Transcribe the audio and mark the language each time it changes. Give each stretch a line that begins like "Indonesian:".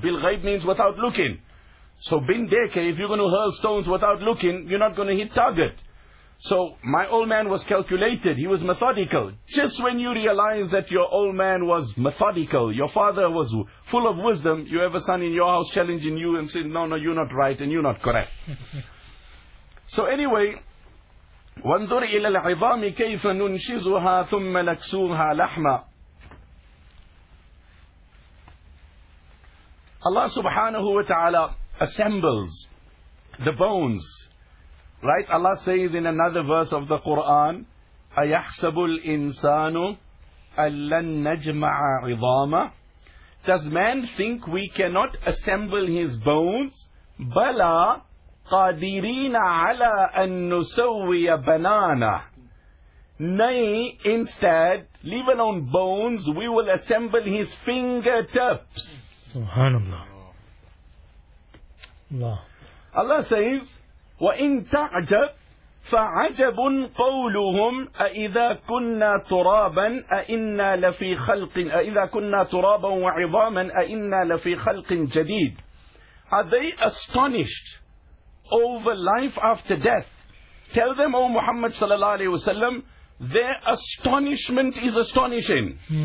English: Bil ghaib means without looking. So
Hindi: bin deke,
English: if you're going to hurl stones without looking, you're not going to hit target. So my old man was calculated, he was methodical. Just when you realize that your old man was methodical, your father was full of wisdom, you have a son in your house challenging you and saying, no, you're not right and you're not correct. So anyway,
Arabic: وَانْظُرْ إِلَى الْعِظَامِ كَيْفَ نُنْشِزُهَا ثُمَّ نَكْسُوهَا لَحْمًا.
English: Allah subhanahu wa ta'ala assembles the bones. Right, Allah says in another verse of the Quran,
Arabic: أَيَحْسَبُ الْإِنسَانُ أَلَّن نَجْمَعَ عِظَامًا.
English: Does man think we cannot assemble his bones?
Arabic: بَلَا قَادِرِينَ عَلَىٰ أَن نُسَوِّيَ بَنَانَا.
English: Nay, instead, leave alone bones, we will assemble his fingertips. SubhanAllah. Allah says,
Arabic: وَإِنْ تَعْجَبْ فَعَجَبٌ قَوْلُهُمْ أَإِذَا كُنَّا تُرَابًا أَإِنَّا لَفِي خَلْقٍ أَإِذَا كُنَّا تُرَابًا وَعِظَامًا أَإِنَّا لَفِي خَلْقٍ جَدِيدٍ.
English: Are they astonished over life after death? Tell them, O Muhammad sallallahu alayhi wa sallam, their astonishment is astonishing.